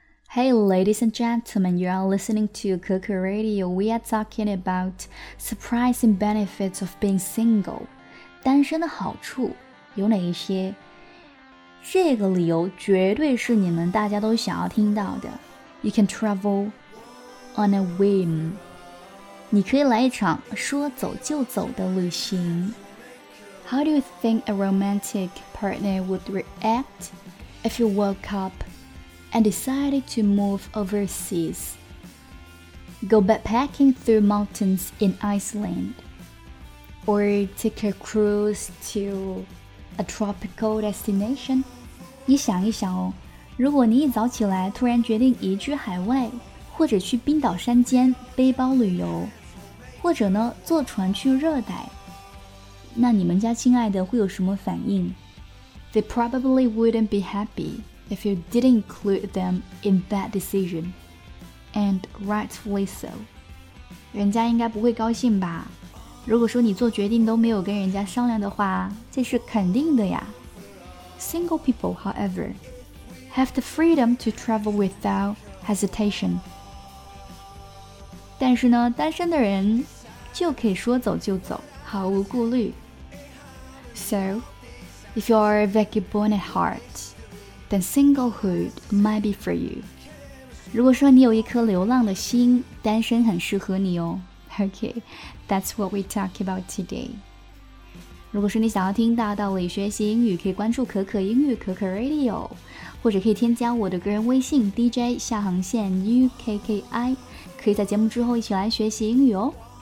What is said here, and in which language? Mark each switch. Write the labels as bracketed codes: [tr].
[en] Hey, ladies and gentlemen, you are listening to Cuckoo Radio. We are talking about surprising benefits of being single. [zh] 单身的好处有哪一些？这个理由绝对是你们大家都想要听到的。 [en] You can travel on a whim. [zh] 你可以来一场说走就走的旅行。 [en] How do you think a romantic partner would react if you woke up? And decided to move overseas. Go backpacking through mountains in Iceland. Or take a cruise to a tropical destination. [zh] 你想一想哦，如果你一早起来突然决定移居海外，或者去冰岛山间背包旅游，或者呢坐船去热带，那你们家亲爱的会有什么反应？ [en] They probably wouldn't be happy. If you didn't include them in that decision, and rightfully so. [zh] 人家应该不会高兴吧？如果说你做决定都没有跟人家商量的话，这是肯定的呀。 [en] Single people, however, have the freedom to travel without hesitation. [zh] 但是呢，单身的人就可以说走就走，毫无顾虑。 [en] So, if you are a vagabond at heart,Then singlehood might be for you. [zh] 如果说你有一颗流浪的心，单身很适合你哦。 [en] Okay, that's what we talk about today. [zh] 如果说你想要听大道理学习英语，可以关注可可英语可可 Radio， 或者可以添加我的个人微信 DJ 下横线 UKKI， 可以在节目之后一起来学习英语哦。